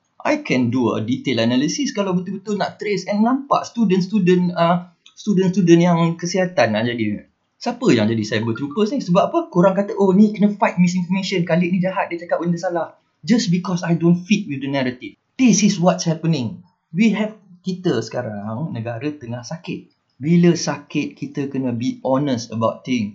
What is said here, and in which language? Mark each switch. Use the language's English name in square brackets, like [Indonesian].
[English] I can do a detailed analysis [Malay] kalau betul-betul nak [English] trace and [Malay] nampak student-student yang kesihatan nak jadi. Siapa yang jadi cyber troopers ni? Sebab apa? Korang kata, oh ni kena [English] fight misinformation. [Malay] Khalid ni jahat, dia cakap benda salah. [English] Just because I don't fit with the narrative. This is what's happening. We have, [Malay] kita sekarang, negara tengah sakit. Bila sakit, kita kena [English] be honest about thing.